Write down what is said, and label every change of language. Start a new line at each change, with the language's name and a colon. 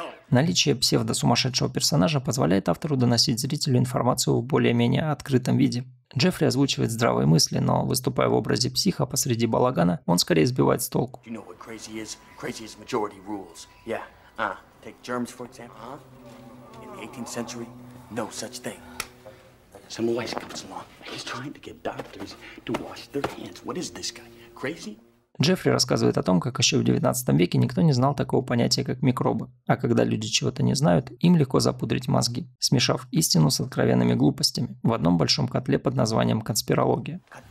Russian: Наличие псевдо-сумасшедшего персонажа позволяет автору доносить зрителю информацию в более-менее открытом виде. Джеффри озвучивает здравые мысли, но выступая в образе психа посреди балагана, он скорее сбивает с толку.
English: You know what crazy is? Crazy is majority rules. Yeah. Take germs, for example. In the 18th century, no such thing. Some wise comes along. He's trying to get doctors to wash their hands. What is this guy? Crazy?
Russian: Джеффри рассказывает о том, как еще в 19 веке никто не знал такого понятия, как микробы. А когда люди чего-то не знают, им легко запудрить мозги, смешав истину с откровенными глупостями в одном большом котле под названием конспирология.